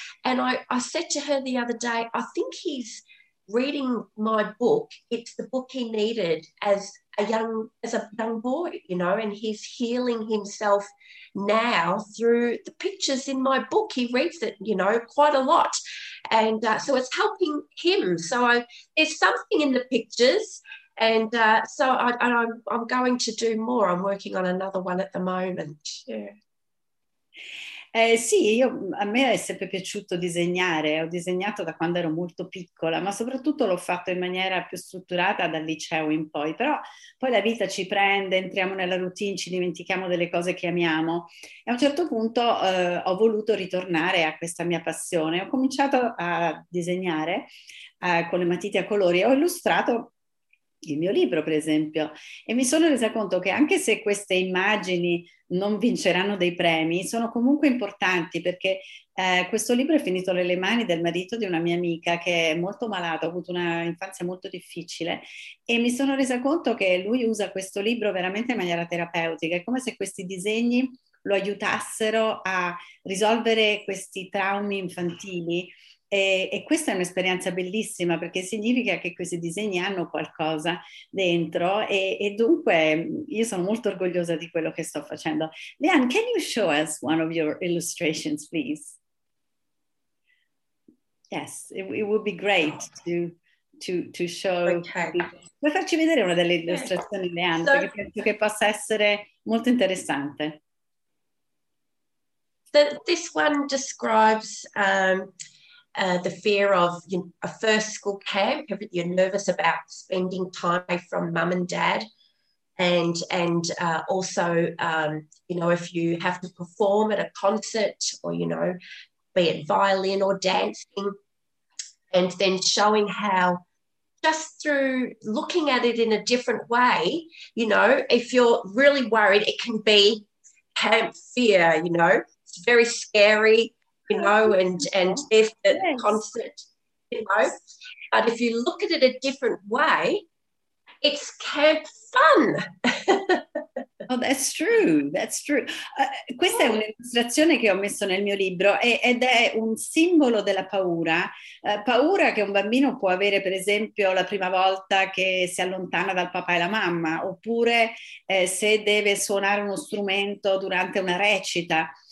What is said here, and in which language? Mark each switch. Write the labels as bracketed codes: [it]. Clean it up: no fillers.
[en] And I said to her the other day, I think he's reading my book, it's the book he needed as a young boy, you know, and he's healing himself now through the pictures in my book. He reads it, you know, quite a lot, and so it's helping him. So there's something in the pictures, and so I'm going to do more. I'm working on another one at the moment. Yeah. [it] Sì, io, a me è sempre piaciuto disegnare, ho disegnato da quando ero molto piccola, ma soprattutto l'ho fatto in maniera più strutturata dal liceo in poi, però poi la vita ci prende, entriamo nella routine, ci dimentichiamo delle cose che amiamo e a un certo punto ho voluto ritornare a questa mia passione, ho cominciato a disegnare con le matite a colori e ho illustrato il mio libro, per esempio, e mi sono resa conto che anche se queste immagini non vinceranno dei premi, sono comunque importanti perché questo libro è finito nelle mani del marito di una mia amica che è molto malato, ha avuto un'infanzia molto difficile e mi sono resa conto che lui usa questo libro veramente in maniera terapeutica, è come se questi disegni lo aiutassero a risolvere questi traumi infantili. E questa è un'esperienza bellissima perché significa che questi disegni hanno qualcosa dentro e dunque io sono molto orgogliosa di quello che sto facendo. [en] Leanne, can you show us one of your illustrations, please? Yes, it would be great to show. Okay. [it] Vuoi farci vedere una delle illustrazioni, Leanne, perché penso che possa essere molto interessante. [en] This one describes the fear of a first school camp. You're nervous about spending time away from mum and dad, and also you know, if you have to perform at a concert, or you know, be it violin or dancing, and then showing how just through looking at it in a different way, you know, if you're really worried, it can be camp fear. You know, it's very scary. You know, and if the yes. concert, you know, but if you look at it a different way, it's camp fun. Oh, that's true, that's true. [it] Questa è un'illustrazione che ho messo nel mio libro ed è un simbolo della paura, paura che un bambino può avere per esempio la prima volta che si allontana dal papà e la mamma, oppure se deve suonare uno strumento durante una recita.